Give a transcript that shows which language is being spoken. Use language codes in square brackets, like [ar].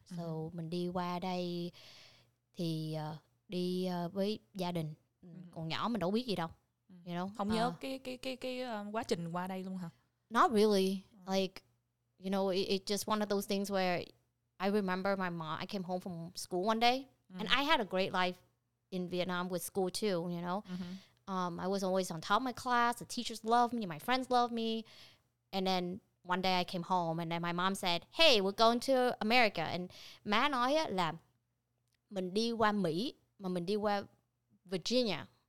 [vi] So mình đi qua đây thì đi với gia đình. Còn nhỏ mình đâu biết gì đâu. [en] You know? [vi] Không nhớ cái quá trình qua đây luôn hả? [en] Not really. Like, you know, it just one of those things where I remember my mom, I came home from school one day. And I had a great life in Vietnam with school too, you know. I was always on top of my class. The teachers loved me. My friends loved me. And then one day I came home and then my mom said, hey, we're going to America. [vi] And má nói là mình đi qua Mỹ mà mình đi qua Virginia.